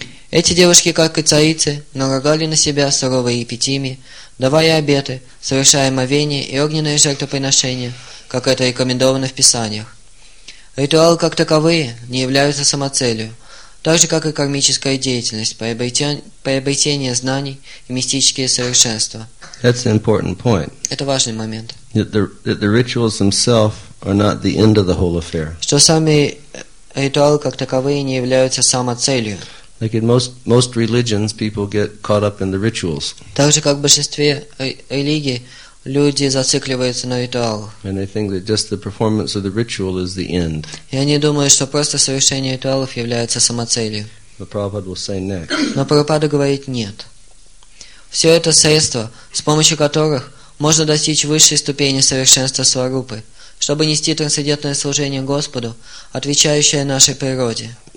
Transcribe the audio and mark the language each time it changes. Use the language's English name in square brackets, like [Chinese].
[Russian] Эти девушки, как и царицы, налагали на себя суровые епитимии, давая обеты, совершая омовения и огненные жертвоприношения, как это рекомендовано в писаниях. Ритуалы, как таковые, не являются самоцелью, так же, как и кармическая деятельность, приобретение знаний и мистические совершенства. [English] That's an important point. [Russian] Это важный момент. [English] That the rituals themselves are not the end of the whole affair. [Russian] Что сами ритуалы как таковые не являются самоцелью. [English] Like in most religions, people get caught up in the rituals. [Russian] Так же как в большинстве религий Люди зацикливаются на ритуалах. [English] And they think that just the performance of the ritual is the end. [Russian] И они думают, что просто совершение ритуалов является самоцелью. [English] But Prabhupada will say next. [Russian] Но Прабхупада говорит нет. Все это средства, с помощью которых можно достичь высшей ступени совершенства сварупы, чтобы нести трансцендентное служение Господу, отвечающее нашей природе.